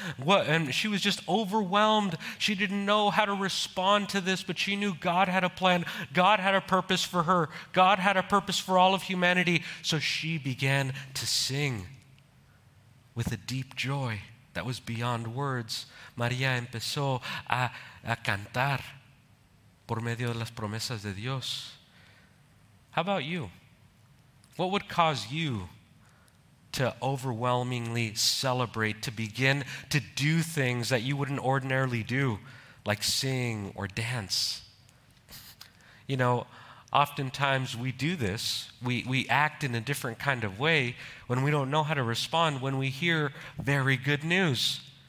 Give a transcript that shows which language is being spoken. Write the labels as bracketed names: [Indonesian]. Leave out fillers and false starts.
[English] And she was just overwhelmed. She didn't know how to respond to this, but she knew God had a plan. God had a purpose for her. God had a purpose for all of humanity. So she began to sing with a deep joy that was beyond words. [Spanish] María empezó a cantar por medio de las promesas de Dios. [English] How about you? What would cause you to overwhelmingly celebrate, to begin to do things that you wouldn't ordinarily do, like sing or dance? You know, oftentimes we do this, we act in a different kind of way when we don't know how to respond, when we hear very good news.